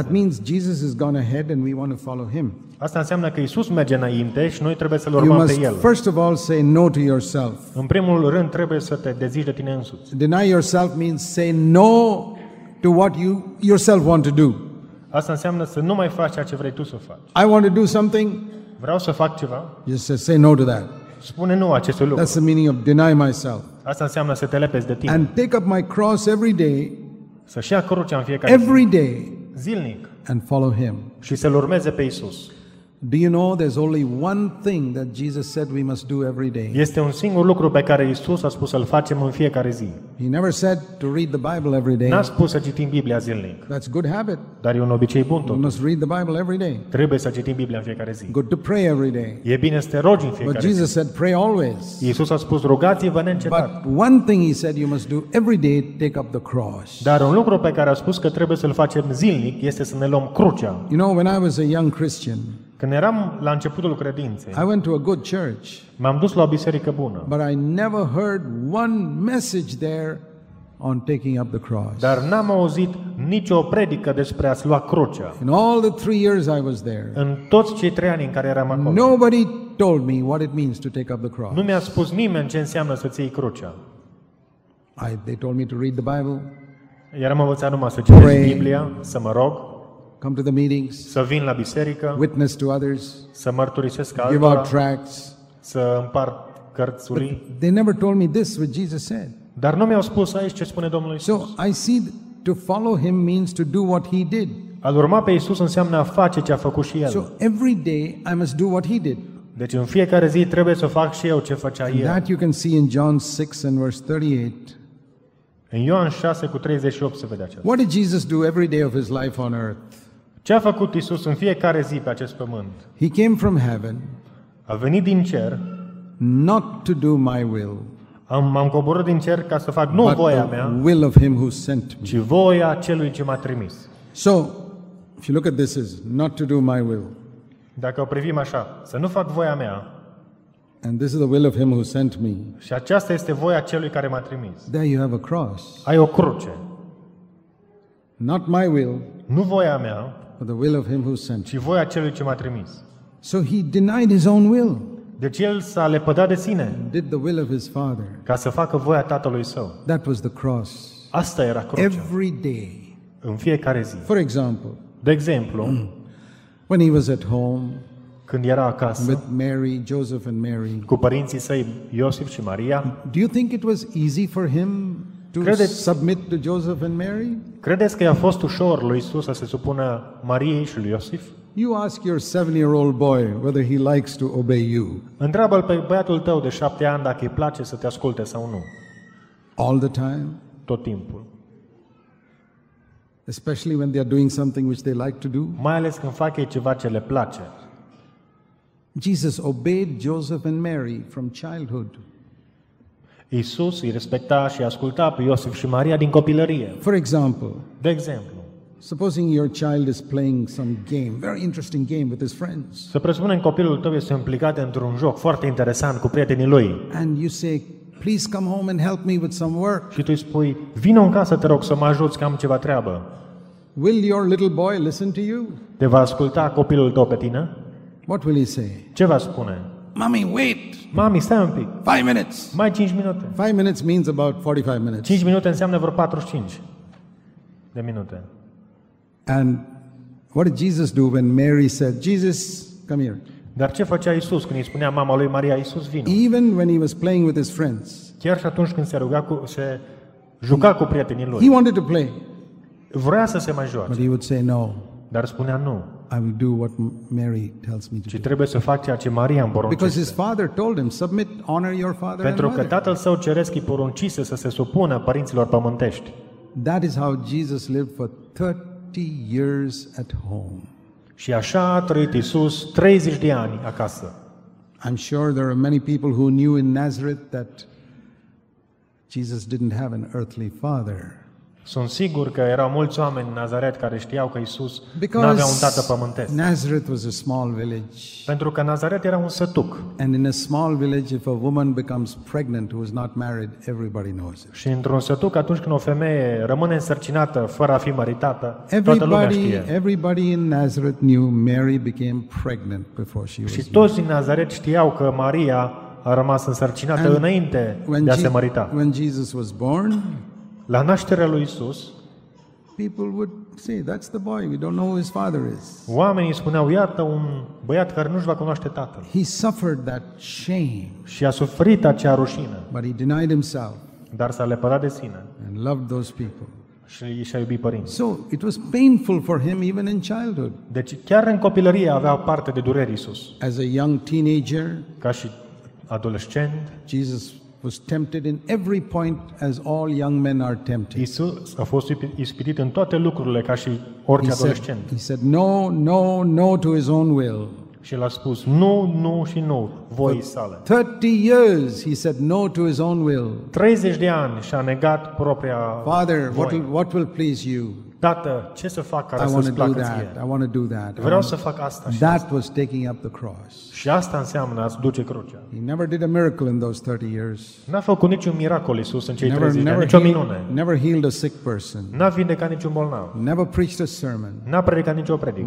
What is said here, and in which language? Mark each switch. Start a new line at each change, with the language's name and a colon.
English: That means Jesus has gone ahead and we want to follow him.
Romanian: Asta înseamnă că Isus merge înainte și noi trebuie să-l urmăm pe el.
English: You must first of all say no to yourself.
Romanian: În primul rând trebuie să te dezici de tine însuți.
English: Deny yourself means say no to what you yourself want to do.
Romanian: Asta înseamnă să nu mai faci ceea ce vrei tu să faci.
English: I want to do something.
Romanian: Vreau să fac ceva.
English: You just say no to that.
Romanian: Spune nu acestui lucru.
English: That's the meaning of deny myself.
Romanian: Asta înseamnă să te lepezi de tine.
English: And take up my cross every day.
Romanian: Să-și ia crucea în fiecare
English: every day
Romanian: zilnic
English: and follow him.
Romanian: Și să-l urmeze pe Isus.
English: Do you know there's only one thing that Jesus said we must do every day?
Romanian: Este un singur lucru pe care Isus a spus să-l facem în fiecare zi.
English: He never said to read the Bible every day.
Romanian: N-a spus să citim Biblia zilnic.
English: That's good habit.
Romanian: Dar e un obicei bun tot.
English: We must read the Bible every day.
Romanian: Trebuie să citim Biblia în fiecare zi.
English: Good to pray every day.
Romanian: E bine să te rogi în fiecare zi.
English: But Jesus
Romanian: zi.
English: Said pray always.
Romanian: Isus a spus rugați-vă neîncetat.
English: But one thing he said you must do every day, take up the cross.
Romanian: Dar un lucru pe care a spus că trebuie să-l facem zilnic este să ne luăm crucea.
English: You know when I was a young Christian,
Romanian: când eram la începutul credinței,
English: I went to a good church,
Romanian: m-am dus la o biserică bună.
English: But I never heard one message there on taking up the cross.
Romanian: Dar n-am auzit nicio predică despre a-ți lua crucea.
English: In all the 3 years I was there,
Romanian: în toți cei 3 ani în care eram acolo,
English: nobody told me what it means to take up the cross.
Romanian: Nu mi-a spus nimeni ce înseamnă să-ți iei crucea.
English: They told me to read the Bible.
Romanian: Eram învățat numai să citesc Biblia, să mă rog.
English: Come to the meetings.
Romanian: Să vin la biserică.
English: Witness to others.
Romanian: Să mărturisesc altora.
English: Give out tracts.
Romanian: Să împart cărțuri.
English: They never told me this what Jesus said.
Romanian: Dar nu mi-au spus aici ce spune Domnul Iisus.
English: So I see to follow him means to do what he did.
Romanian: A urma pe Iisus înseamnă a face ce a făcut și el.
English: So every day I must do what he did.
Romanian: Deci în fiecare zi trebuie să fac și eu ce făcea el.
English: That you can see in John 6 and verse 38.
Romanian: În Ioan 6:38 se vede aceasta.
English: What did Jesus do every day of his life on earth?
Romanian: Ce a făcut Iisus în fiecare zi pe acest pământ?
English: He came from heaven.
Romanian: A venit din cer.
English: Not to do my will.
Romanian: M-am coborât din cer ca să fac nu voia mea.
English: But the will of him who sent me.
Romanian: Ci voia celui ce m-a trimis.
English: So, if you look at this, is not to do my will.
Romanian: Dacă o privim așa, să nu fac voia mea.
English: And this is the will of him who sent me.
Romanian: Și aceasta este voia celui care m-a trimis.
English: There you have a cross.
Romanian: Ai o cruce.
English: Not my will.
Romanian: Nu voia mea.
English: But the will of him who sent.
Romanian: Ci voia celui ce m-a trimis.
English: So he denied his own will.
Romanian: Deci el s-a lepădat de sine.
English: Did the will of his father.
Romanian: Ca să facă voia tatălui său.
English: That was the cross.
Romanian: Asta era crucea.
English: Every day.
Romanian: În fiecare zi.
English: For example.
Romanian: De exemplu.
English: When he was at home.
Romanian: Când era acasă.
English: With Mary, Joseph and Mary.
Romanian: Cu părinții săi, Iosif și Maria.
English: Do you think it was easy for him to
Romanian: credeți,
English: submit to Joseph and Mary?
Romanian: Credeți că i-a fost ușor lui Isus să se supună Mariei și lui Iosif?
English: You ask your 7-year-old boy whether he likes to obey you.
Romanian: Întreabă-l pe băiatul tău de 7 ani dacă îi place să te asculte sau nu.
English: All the time?
Romanian: Tot timpul.
English: Especially when they are doing something which they like to do?
Romanian: Mai ales când fac ei ceva ce le place.
English: Jesus obeyed Joseph and Mary from childhood.
Romanian: Iisus îi respecta și asculta pe Iosif și Maria din copilărie.
English: For example.
Romanian: De exemplu.
English: Supposing your child is playing some game, very interesting game with his friends.
Romanian: Să presupunem copilul tău este implicat într-un joc foarte interesant cu prietenii lui.
English: And you say, please come home and help me with some work.
Romanian: Și tu îi spui, vino în casă, te rog, să mă ajuți că am ceva treabă.
English: Will your little boy listen to you?
Romanian: Te va asculta copilul tău pe tine?
English: What will he say?
Romanian: Ce va spune?
English: Mommy, wait.
Romanian: Mami, stai un pic.
English: 5 minutes.
Romanian: Mai 5 minute.
English: 5 minutes means about 45 minutes.
Romanian: 5 minute înseamnă vreo 45 de minute.
English: And what did Jesus do when Mary said, "Jesus, come here.
Romanian: Dar ce făcea Iisus când îi spunea mama lui Maria, Iisus, vino?
English: Even when he was playing with his friends.
Romanian: Chiar și atunci când se juca cu prietenii lui.
English: He wanted to play.
Romanian: Vrea să se mai joace.
English: But he would say no.
Romanian: Dar spunea nu.
English: I will do what Mary tells me to do.
Romanian: Ci trebuie să fac ceea ce Maria îmi poruncește.
English: Because his father told him, submit, honor your father and mother.
Romanian: Pentru că tatăl său ceresc îi poruncise să se supună părinților pământești.
English: That is how Jesus lived for 30 years at home.
Romanian: Și așa a trăit Iisus 30 de ani acasă.
English: I'm sure there are many people who knew in Nazareth that Jesus didn't have an earthly father.
Romanian: Sunt sigur că erau mulți oameni în Nazaret care știau că Iisus n-avea un tată pământesc.
English: Nazareth was a small village.
Romanian: Pentru că Nazaret era un sătuc.
English: And in a small village, if a woman becomes pregnant who is not married, everybody knows it.
Romanian: Și într-un sătuc, atunci când o femeie rămâne însărcinată fără a fi măritată,
English: everybody,
Romanian: toată lumea știe.
English: Everybody in Nazareth knew Mary became pregnant before she was married.
Romanian: Și toți din Nazaret știau că Maria a rămas însărcinată and înainte de a se mărita.
English: When Jesus was born,
Romanian: la nașterea lui Iisus,
English: people would say, that's the boy, we don't know who his father is.
Romanian: Oamenii spuneau, iată un băiat care nu-și va cunoaște tatăl.
English: He suffered that shame.
Romanian: Și a suferit acea rușine.
English: But he denied himself.
Romanian: Dar s-a lepădat de sine.
English: And loved those people.
Romanian: Și i-a iubit părinții.
English: So it was painful for him even in childhood.
Romanian: Deci chiar în copilărie avea parte de dureri Iisus.
English: As a young teenager,
Romanian: ca și adolescent,
English: Jesus was tempted in every point as all young men are tempted.
Romanian: Iisus a fost ispitit în toate lucrurile ca și orice adolescent.
English: He said no, no, no to his own will.
Romanian: Și l-a spus nu, nu și nu voii sale.
English: 30 years he said no to his own will.
Romanian: 30 de ani și-a negat propria voie.
English: Father, what will please you?
Romanian: Tată, ce să fac care să-ți placă ție?
English: I want to do that. I want to do that.
Romanian: Vreau să fac asta.
English: That was taking up the cross.
Romanian: Și asta înseamnă a duce crucea.
English: He never did a miracle in those 30 years.
Romanian: N-a făcut niciun miracol Iisus în cei 30 de ani, nicio minune.
English: Never healed a sick person.
Romanian: N-a vindecat niciun bolnav.
English: Never preached a sermon.
Romanian: N-a predicat nicio predică.